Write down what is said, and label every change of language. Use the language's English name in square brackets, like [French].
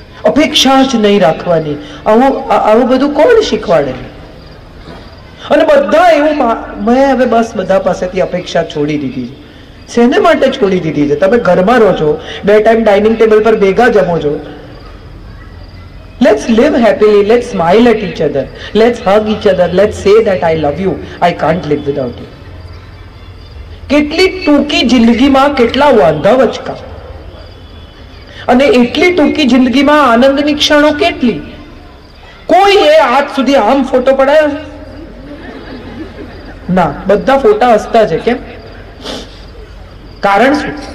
[Gujarati] અપેક્ષા જ નહીં રાખવાની, આવું આવું બધું કોણ શીખવાડે? અને બધા એવું મેં હવે બસ બધા પાસેથી અપેક્ષા છોડી દીધી છે. શેને માટે છોડી દીધી છે? તમે ઘરમાં રહો છો, બે ટાઈમ ડાઇનિંગ ટેબલ પર ભેગા જમો છો. [English] Let's live happily, let's smile at each other, let's hug each other, let's say that I love you, I can't live without you. [Gujarati] કેટલી ટૂંકી જિંદગીમાં કેટલા વાંધા વચકા, અને એટલી ટૂંકી જિંદગીમાં આનંદની ક્ષણો કેટલી. કોઈ એ આજ સુધી આમ ફોટો પડાયો ના? બધા ફોટા હસતા છે, કેમ? કારણ શું?